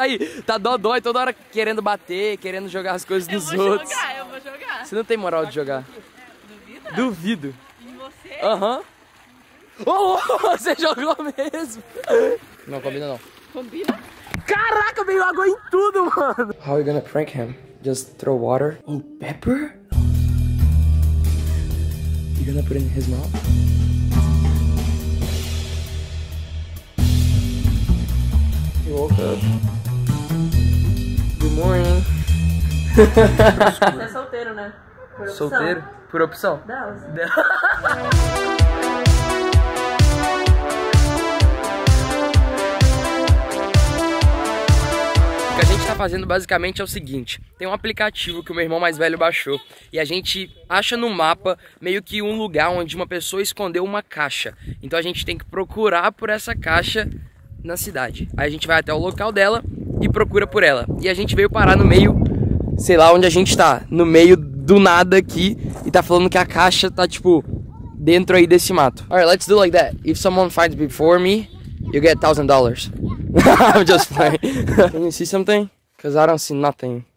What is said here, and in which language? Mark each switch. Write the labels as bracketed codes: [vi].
[pt] Aí, tá dodói toda hora querendo bater, querendo jogar as coisas dos outros. Eu vou jogar. Você não tem moral de jogar. Duvida? Duvido. E você? Aham. Ô, você jogou mesmo. Não, combina não. Combina? Caraca, veio água em tudo, mano. [en] How are you gonna prank him? Just throw water? Oh, pepper? You gonna put it in his mouth? Woke up. Good morning. [pt] Você é solteiro, né? Por opção. Solteiro? Por opção? Deus. O que a gente tá fazendo basicamente é o seguinte: tem um aplicativo que o meu irmão mais velho baixou e a gente acha no mapa meio que um lugar onde uma pessoa escondeu uma caixa. Então a gente tem que procurar por essa caixa na cidade. Aí a gente vai até o local dela e procura por ela. E a gente veio parar no meio, sei lá onde a gente tá, no meio do nada aqui, e tá falando que a caixa tá tipo dentro aí desse mato. [en] Alright, let's do like that. If someone finds before me, you get $1,000. I'm just playing. Can you see something? Cause I don't see nothing.